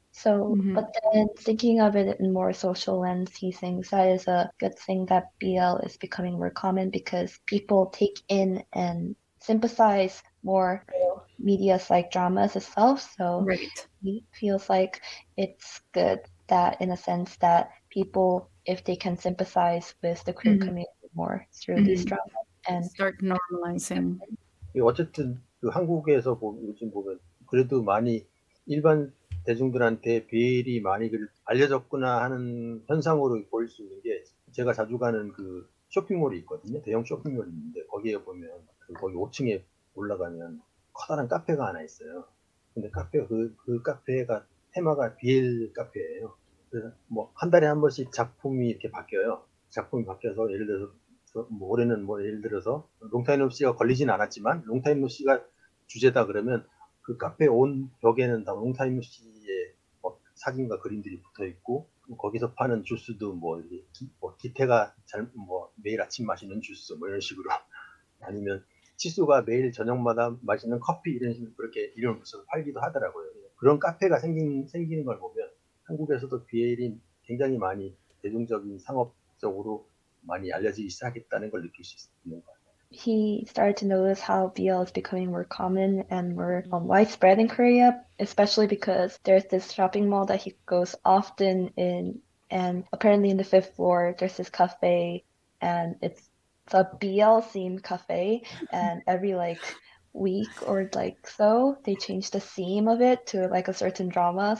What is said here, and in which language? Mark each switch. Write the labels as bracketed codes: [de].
[en] So, but then thinking of it in more social lens, he thinks that is a good thing that BL is becoming more common because people take in and sympathize more media like dramas itself. So he feels like it's good that in a sense that people, if they can sympathize with the queer community more through these dramas and start normalizing. [ko] 어쨌든 그 한국에서 요즘 보면 그래도 많이 일반 대중들한테 BL이 많이 알려졌구나 하는 현상으로 보일 수 있는 게 제가 자주 가는 그 쇼핑몰이 있거든요. 대형 쇼핑몰이 있는데 거기에 보면 거기 5층에 올라가면 커다란 카페가 하나 있어요. 근데 그 카페가 테마가 BL 카페예요. 뭐 한 달에 한 번씩 작품이 이렇게 바뀌어요. 작품이 바뀌어서 예를 들어서 뭐 올해는 뭐 예를 들어서 롱타임노 씨가 걸리진 않았지만 롱타임노 씨가 주제다 그러면 그 카페 온 벽에는 다 롱타임 씨의 뭐 사진과 그림들이 붙어 있고 거기서 파는 주스도 뭐 기태가 잘 뭐 매일 아침 마시는 주스 뭐 이런 식으로 아니면 치수가 매일 저녁마다 마시는 커피 이런 식으로 그렇게 이름을 붙여서 팔기도 하더라고요. 그런 카페가 생기는 걸 보면 한국에서도 BL이 굉장히 많이 대중적인 상업적으로 많이 알려지기 시작했다는 걸 느낄 수 있는 거예요. [en] He started to notice how BL is becoming more common and more widespread in Korea, especially because there's this shopping mall that he goes often in, and apparently in the fifth floor, there's this cafe, and it's a BL-themed cafe, and every like week or like so, they change the theme of it to like a certain drama.